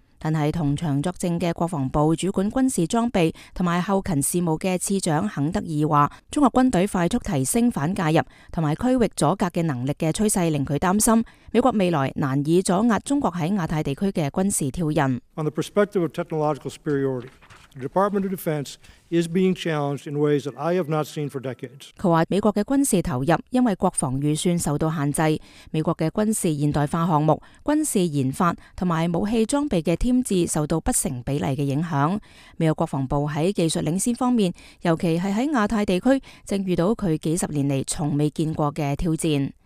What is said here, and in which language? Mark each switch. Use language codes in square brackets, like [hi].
[zh] 但是同场作证的国防部主管军事装备和后勤事务的次长肯德尔说，中国军队快速提升反介入和区域阻隔的能力的趋势令他担心，美国未来难以阻压中国在亚太地区的军事挑衅。 [en] On the perspective of technological superiority, the Department of Defense is being challenged in ways that I have not seen for decades. [zh] 他说美国的军事投入因为国防预算受到限制，美国的军事现代化项目、军事研发和武器装备的添置受到不成比例的影响。美国国防部在技术领先方面，尤其是在亚太地区，正遇到他几十年来从未见过的挑战。